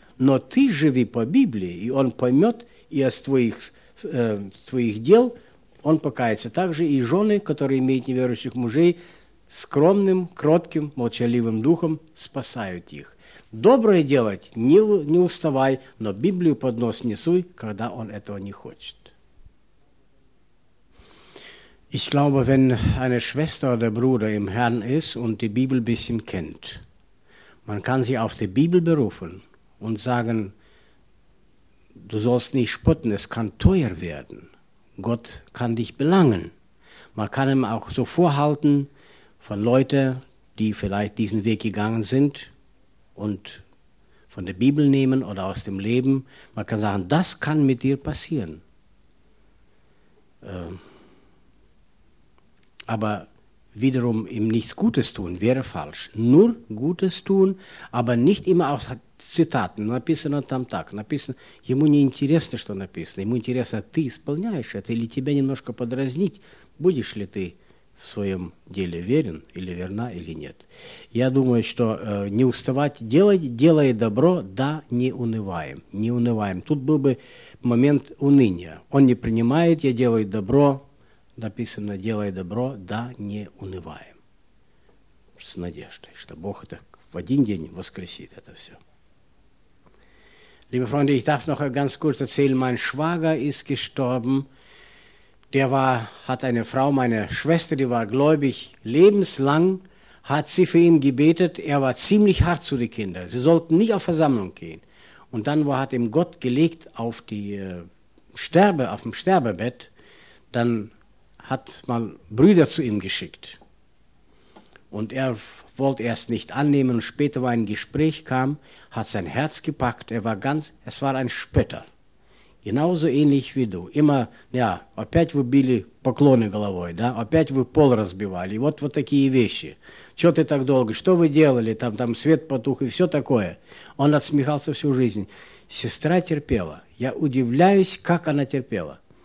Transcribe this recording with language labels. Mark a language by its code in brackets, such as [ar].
[ru] Но ты живи по Библии, и он поймет, и от твоих дел он покается. Также и жены, которые имеют неверующих мужей, скромным, кротким, молчаливым духом спасают их. Доброе делать не уставай, но Библию под нос не суй, когда он этого не хочет. [de] Ich glaube, wenn eine Schwester oder Bruder im Herrn ist und die Bibel ein bisschen kennt, man kann sie auf die Bibel berufen und sagen: du sollst nicht spotten, es kann teuer werden. Gott kann dich belangen. Man kann ihm auch so vorhalten von Leuten, die vielleicht diesen Weg gegangen sind, und von der Bibel nehmen oder aus dem Leben. Man kann sagen: das kann mit dir passieren. Aber wiederum ihm nichts Gutes tun wäre falsch. Nur Gutes tun, aber nicht immer aus Zitaten. [ru] Написано там так. Написано. Ему не интересно, что написано. Ему интересно, ты исполняешь это или тебя немножко подразнить. Будешь ли ты в своем деле верен или верна, или нет. Я думаю, что не уставать, делай добро, да не унываем. Не унываем. Тут был бы момент уныния. Он не принимает, я делаю добро. Написано: делай добро, да не унываем. С надеждой, что Бог это в один день воскресит это все. [de] Liebe Freunde, ich darf noch ganz kurz erzählen, mein Schwager ist gestorben. Hat eine Frau, meine Schwester, die war gläubig, lebenslang hat sie für ihn gebetet. Er war ziemlich hart zu den Kindern. Sie sollten nicht auf Versammlung gehen. Und dann, wo hat ihm Gott gelegt auf die Sterbe, auf dem Sterbebett, dann hat man Brüder zu ihm geschickt. Und er wollte erst nicht annehmen. Und später, wo ein Gespräch kam, hat sein Herz gepackt. Es war ein Spötter. Genauso ähnlich wie du. Immer, ja, [ru] опять вы били поклоны головой, да? Опять вы пол разбивали. Вот, вот такие вещи. Чего ты так долго? Что вы делали? Там, там свет потух и все такое. Он отсмехался всю жизнь. Сестра терпела. Я удивляюсь, как она терпела.